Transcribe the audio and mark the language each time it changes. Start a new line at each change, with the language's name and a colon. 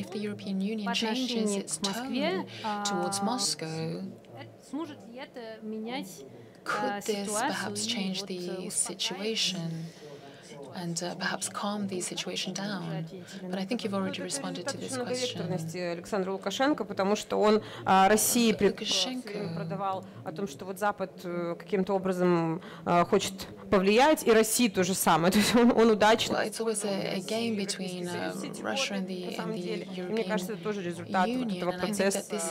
English: And if the European Union changes its tone towards Moscow, could this perhaps change the situation? and perhaps calm the situation down. But I think you've already responded to this question.
Russian: Александр Лукашенко, потому что он России продавал о том, что вот Запад каким-то образом хочет повлиять, и России то же самое. То есть он удачно.
English: It's always a game between Russia and the European Union.
Russian: Мне кажется, это тоже результат этого процесса.